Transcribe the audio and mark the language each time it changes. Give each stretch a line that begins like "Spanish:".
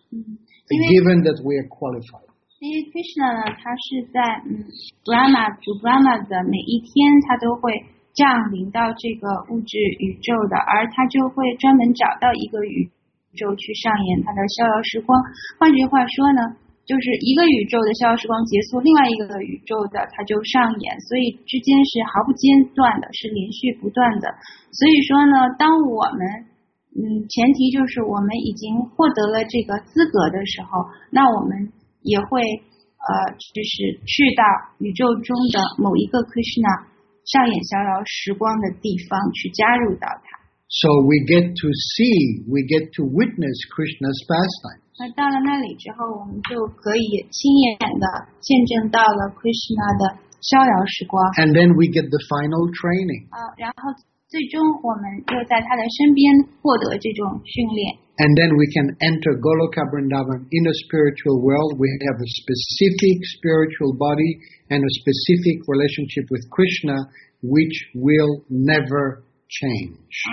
English: Given that we are qualified. Because Krishna, he is in Brahma, to Brahma, every day he will come to this material world, and he will find a special world to perform his pastime. In other words.
Chinese: 就是一个宇宙的逍遥时光结束，另外一个宇宙的它就上演，所以之间是毫不间断的，是连续不断的。所以说呢，当我们前提就是我们已经获得了这个资格的时候，那我们也会就是去到宇宙中的某一个 Krishna 上演逍遥时光的地方去加入到它。
English: So we get to see, we get to witness Krishna's pastimes.
Chinese: 而到了那里之后，我们就可以亲眼的见证到了 Krishna 的逍遥时光。
English: And then we get the final training.
Chinese: 然后最终我们又在他的身边获得这种训练。
English: And then we can enter Goloka Vrindavan in a spiritual world. We have a specific spiritual body and a specific relationship with Krishna, which will never change.